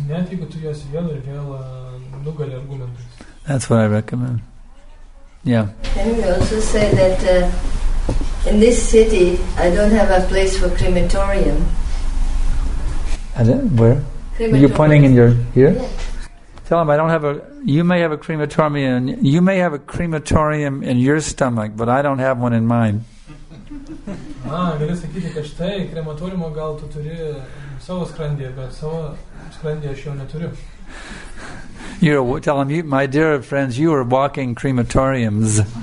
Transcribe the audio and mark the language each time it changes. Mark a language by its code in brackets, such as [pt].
[lt] Net jeigu tu jas vėl ir vėl nugali argumentus. [en] That's what I recommend. Yeah. Can we also say that in this city I don't have a place for crematorium? Where? Are you pointing in your here? Yeah. Tell him I don't have a. You may have a crematorium. In, you may have a crematorium in your stomach, but I don't have one in mine. [lt] Ah, gali sakyti, kad štai krematoriumo gal tu turi savo skrandyje, bet savo skrandyje aš jo neturiu. [en] You're telling me, my dear friends, you are walking crematoriums.